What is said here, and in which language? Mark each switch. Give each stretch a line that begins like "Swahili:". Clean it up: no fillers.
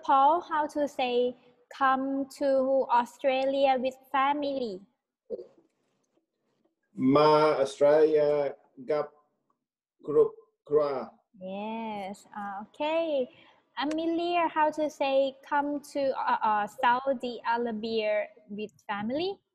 English: Paul how to say come to Australia with family
Thai: มา Australia กับครอบครัว
English: yes okayAmelia, how to say come to Saudi Arabia with family?